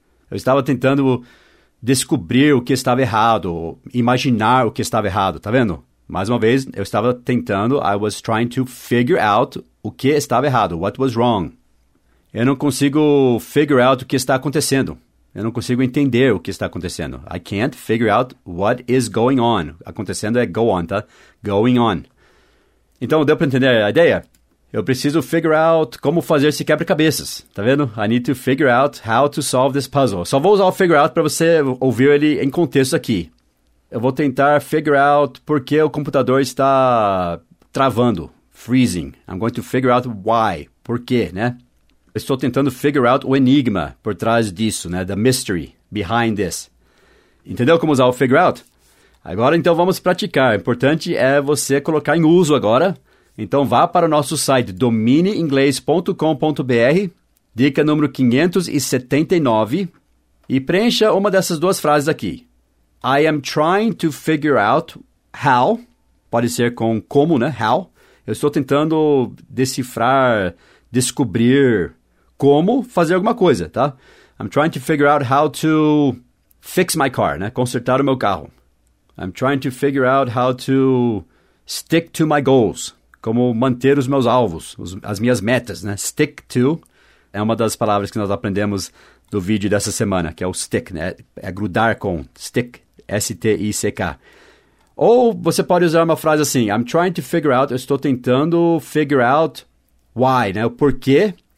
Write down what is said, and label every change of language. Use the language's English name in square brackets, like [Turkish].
[Portuguese] Eu estava tentando descobrir o que estava errado, imaginar o que estava errado, tá vendo? Mais uma vez, eu estava tentando, [English] I was trying to figure out [Portuguese] o que estava errado, [English] what was wrong. [Portuguese] Eu não consigo figure out o que está acontecendo. Eu não consigo entender o que está acontecendo. [English] I can't figure out what is going on. [Portuguese] Acontecendo é go on, tá? Going on. Então, deu para entender a ideia? Eu preciso figure out como fazer esse quebra-cabeças, tá vendo? [English] I need to figure out how to solve this puzzle. [Portuguese] Só vou usar o figure out para você ouvir ele em contexto aqui. Eu vou tentar figure out por que o computador está travando, freezing. [English] I'm going to figure out why, [Portuguese] por quê, né? Eu estou tentando figure out o enigma por trás disso, né? [English] The mystery behind this. [Portuguese] Entendeu como usar o figure out? Agora, então, vamos praticar. O importante é você colocar em uso agora. Então, vá para o nosso site domineinglês.com.br, dica número 579, e preencha uma dessas duas frases aqui. [English] I am trying to figure out how, [Portuguese] pode ser com como, né? [English] How. [Portuguese] Eu estou tentando decifrar, descobrir como fazer alguma coisa, tá? [English] I'm trying to figure out how to fix my car, né? [Portuguese] Consertar o meu carro. [English] I'm trying to figure out how to stick to my goals. [Portuguese] Como manter os meus alvos, as minhas metas, né? Stick to é uma das palavras que nós aprendemos do vídeo dessa semana, que é o stick, né? É grudar com, stick, S-T-I-C-K. Ou você pode usar uma frase assim, [English] I'm trying to figure out, [Portuguese] eu estou tentando figure out why, né? O porquê.